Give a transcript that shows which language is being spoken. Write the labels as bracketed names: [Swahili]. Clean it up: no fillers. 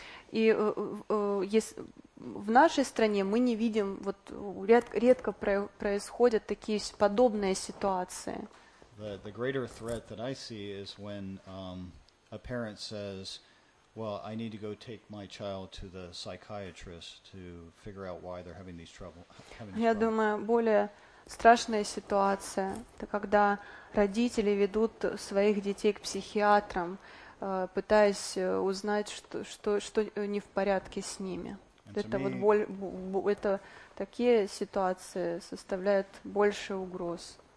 [Russian] И в нашей стране мы не видим, вот редко происходят такие подобные ситуации. [English] The greater threat that I see is when a parent says, well, I need to go take my child to the psychiatrist to figure out why they're having these trouble. [Russian] Я думаю, более страшная ситуация, это когда родители ведут своих детей к психиатрам, пытаясь узнать, что не в порядке с ними. Это вот это такие ситуации составляют больше угроз.